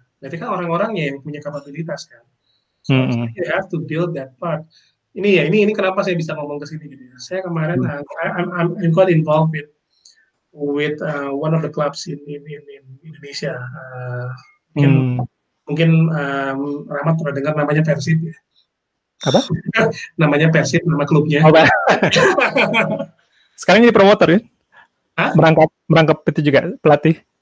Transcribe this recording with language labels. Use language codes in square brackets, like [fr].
[id] Berarti kan orang-orangnya yang punya kapabilitas kan. [en] So, you have to build that part. [id] Ini ya, ini kenapa saya bisa ngomong ke sini gitu. Saya kemarin [en] I'm quite involved with one of the clubs in Indonesia. [id] Mungkin Rahmat pernah dengar namanya Persib ya. Apa? Namanya Persib, nama klubnya. Oh, sekarang jadi promotor ya? Hah? Merangkap itu juga pelatih?